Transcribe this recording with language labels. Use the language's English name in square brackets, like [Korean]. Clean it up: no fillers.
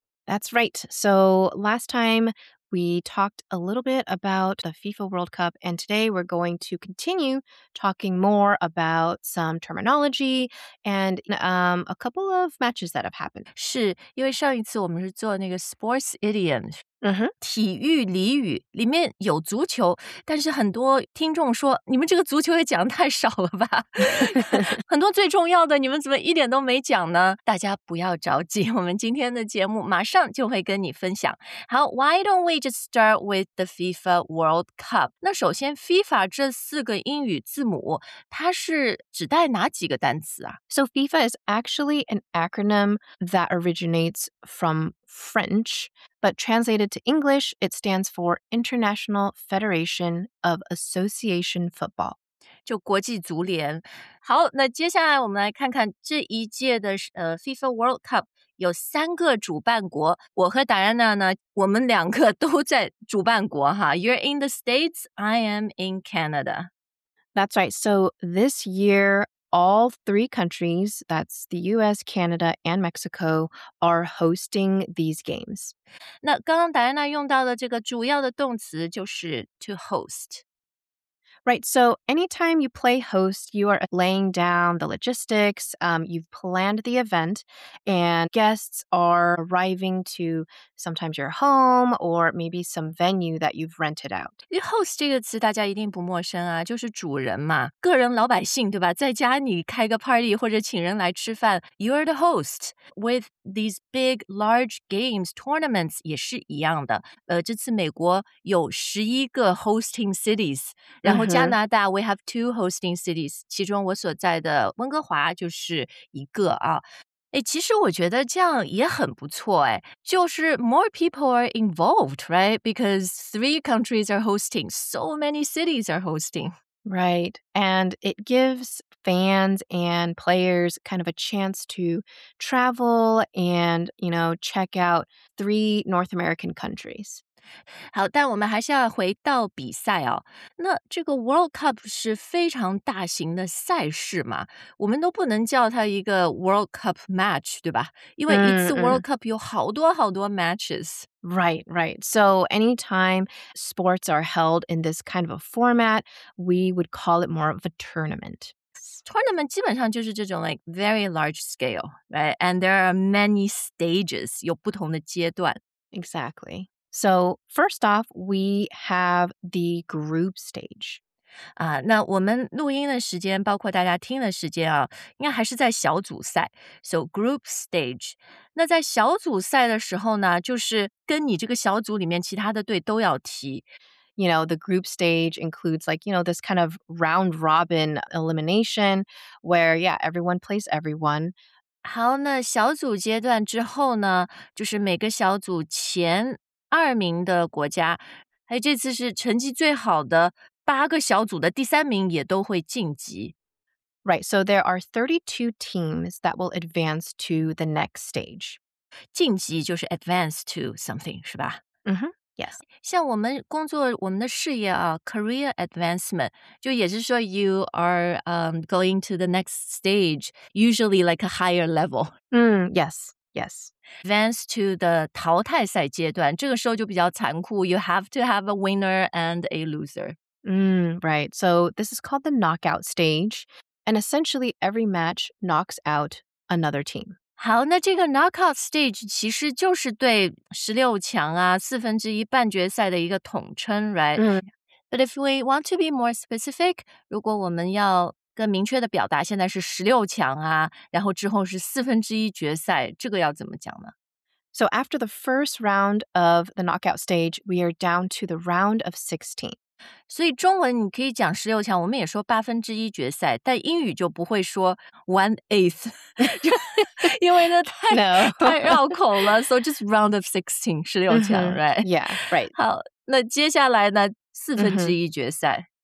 [English] That's right. So last time we talked a little bit about the FIFA World Cup, and today we're going to continue talking more about some terminology and a couple of matches that have happened. [Chinese] 是因为上一次我们是做那个 [English] sports idioms。 Mm-hmm. [Chinese] 体育俚语里面有足球，但是很多听众说你们这个足球也讲得太少了吧很多最重要的你们怎么一点都没讲呢？大家不要着急，我们今天的节目马上就会跟你分享。 [English] 好， Why don't we just start with the FIFA World Cup? [Chinese] 那首先 FIFA 这四个英语字母它是指代哪几个单词啊？ [English] So FIFA is actually an acronym that originates from French, but translated to English, it stands for International Federation of Association Football. [Chinese] 就国际足联。好，那接下来我们来看看这一届的FIFA World Cup 有三个主办国。我和 Diana 呢，我们两个都在主办国哈。 [English] You're in the States, I am in Canada. That's right. So this year,All three countries, that's the US, Canada, and Mexico, are hosting these games. [Chinese] 那刚刚戴安娜用到的这个主要的动词就是 to host. [English] Right, so anytime you play host, you are laying down the logistics, you've planned the event, and guests are arriving to sometimes your home or maybe some venue that you've rented out. [Chinese] Host 这个词大家一定不陌生啊，就是主人嘛，个人老百姓，对吧？在家你开个 party 或者请人来吃饭， [English] you're the host. With these big, large games, tournaments [Chinese] 也是一样的。这次美国有11个 [English] hosting cities, [Chinese] 然后加拿大 [English] we have two hosting cities, [Chinese] 其中我所在的温哥华就是一个啊。哎，其实我觉得这样也很不错哎，就是 [English] more people are involved, right? Because three countries are hosting, so many cities are hosting. Right, and it gives fans and players kind of a chance to travel and, you know, check out three North American countries. [Chinese] 好，但我们还是要回到比赛哦。那这个 World Cup 是非常大型的赛事嘛，我们都不能叫它一个 World Cup match, 对吧？因为一次 World Cup 有好多好多 matches。 [English] Right, right. So anytime sports are held in this kind of a format, we would call it more of a tournament. Tournament [Chinese] 基本上就是这种 [English] like very large scale, right? And there are many stages, [Chinese] 有不同的阶段。 [English] Exactly. So, first off, we have the group stage. [Chinese] 那我们录音的时间，包括大家听的时间啊，应该还是在小组赛。 [English] So, group stage. [Chinese] 那在小组赛的时候呢，就是跟你这个小组里面其他的队都要踢。 [English] You know, the group stage includes like, you know, this kind of round robin elimination where, yeah, everyone plays everyone. [Chinese] 好，那小组阶段之后呢，就是每个小组前二名的国家，还有这次是成绩最好的八个小组的第三名也都会晋级。 [English] Right, so there are 32 teams that will advance to the next stage. [Chinese] 晋级就是 [English] advance to something, [Chinese] 是吧？ [English] Yes. [Chinese] 像我们工作，我们的事业啊 ， [English] career advancement, [Chinese] 就也是说 [English] you are going to the next stage, usually like a higher level. Yes. Yes. Advance to the [Chinese] 淘汰赛阶段，这个时候就比较残酷。 [English] You have to have a winner and a loser. Right. So this is called the knockout stage. And essentially every match knocks out another team. [Chinese] 好，那这个 knockout stage 其实就是对16强啊，四分之一半决赛的一个统称 ,right? [English] But if we want to be more specific, [Chinese] 如果我们要更明确的表达现在是16强啊，然后之后是四分之一决赛，这个要怎么讲呢？ [English] So after the first round of the knockout stage, we are down to the round of 16. [Chinese] 所以中文你可以讲16强，我们也说八分之一决赛，但英语就不会说 1/8, 因为那太 [English] No. [Chinese] 太绕口了。 [English] So just round of 16, 16强、mm-hmm. right? Yeah, right. [Chinese] 好，那接下来呢，四分之一决赛、